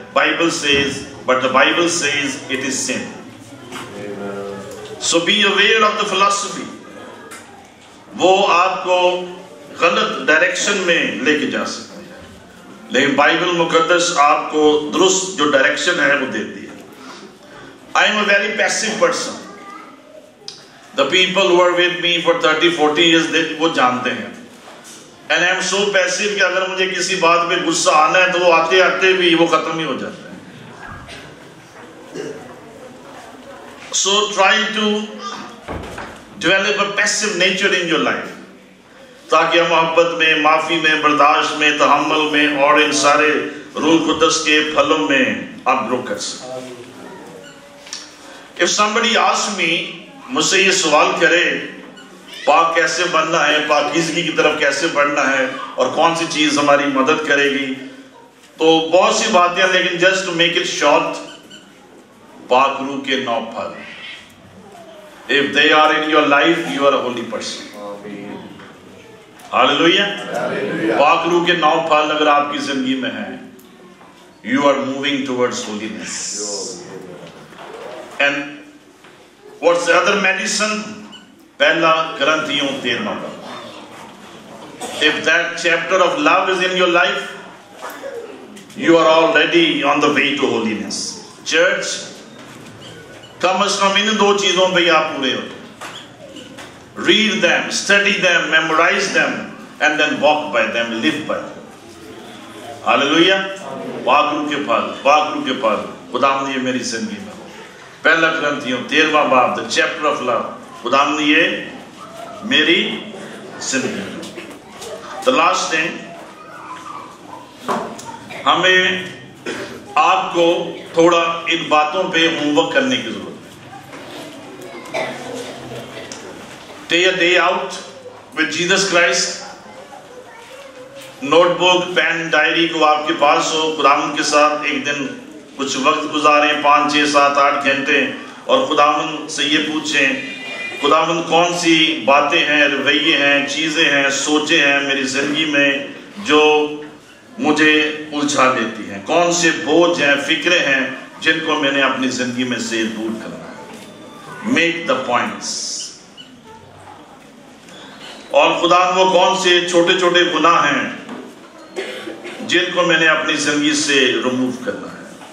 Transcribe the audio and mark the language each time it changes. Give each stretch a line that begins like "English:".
English: Bible says, but the Bible says it is sin. So be aware of the فلسفی,
Urdu: وہ آپ کو غلط ڈائریکشن میں لے کے جا سکتا. لیکن بائبل مقدس آپ کو درست جو ڈائریکشن ہے وہ دیتی ہے.
English: I am a very passive person. The people who are with me for 30-40 years
Urdu: وہ جانتے ہیں,
English: and I am so passive
Urdu: کہ اگر مجھے کسی بات پہ غصہ آنا ہے تو وہ آتے آتے بھی وہ ختم ہی ہو جاتا ہے.
English: so try to develop a passive nature in your life,
Urdu: تاکہ محبت میں, معافی میں, برداشت میں, تحمل میں اور ان سارے روح قدس کے پھلوں میں آپ گرو کر سکتے.
English: If somebody asks me,
Urdu: مجھ سے یہ سوال کرے پاک کیسے بننا ہے, پاکیزگی کی طرف کیسے بڑھنا ہے اور کون سی چیز ہماری مدد کرے گی, تو بہت سی باتیں, لیکن
English: just make it short,
Urdu: پاک روح کے 9 پھل.
English: If they are in your life, you are a holy person. Hallelujah.
Urdu: پاک روح کے 9 پھل اگر آپ کی زندگی میں ہیں,
English: You are moving towards holiness. And what's other medicine,
Urdu: پہلا کرنتھیوں 13 پر,
English: If that chapter of love is in your life, you are already on the way to holiness.
Urdu: Church, کم از کم ان دو چیزوں پہ آپ پورے ہو.
English: Read them, study them, memorize them, and then walk by them, live by them. Hallelujah.
Urdu: پاک روح کے پھل, پاک روح کے پھل, خداوند یہ میری زندگی میں. پہلا کرنتھیوں 13 باب,
English: the chapter of love,
Urdu: خداوند یہ میری زندگی میں.
English: The last thing,
Urdu: ہمیں آپ کو تھوڑا ان باتوں پہ ہوم ورک کرنے کی ضرورت ہے.
English: Day a day out with Jesus Christ.
Urdu: Notebook, pen, diary کو آپ کے پاس ہو, خداوند کے ساتھ ایک دن کچھ وقت گزاریں, 5-6-7-8 گھنٹے, اور خداوند سے یہ پوچھیں خداوند کون سی باتیں ہیں رویے ہیں چیزیں ہیں سوچیں ہیں میری زندگی میں جو مجھے الجھا دیتی ہیں کون سے بوجھ ہیں فکریں ہیں جن کو میں نے اپنی زندگی میں سے دور کرنا ہے
English: make the points
Urdu: اور خدا وہ کون سے چھوٹے چھوٹے گناہ ہیں جن کو میں نے اپنی زندگی سے ریموو کرنا ہے